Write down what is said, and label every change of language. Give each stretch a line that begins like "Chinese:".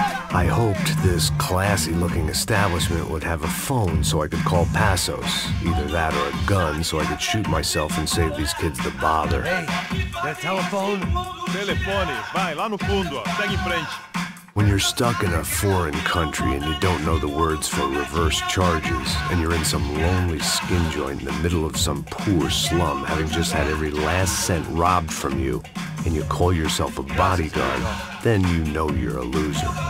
English: I hoped this classy-looking establishment would have a phone so I could call Passos. Either that or a gun so I could shoot myself and save these kids the bother. Hey, the telephone?
Portuguese: Telefone, vai, lá no fundo, segue em frente.
English: When you're stuck in a foreign country and you don't know the words for reverse charges, and you're in some lonely skin joint in the middle of some poor slum, having just had every last cent robbed from you, and you call yourself a bodyguard, then you know you're a loser.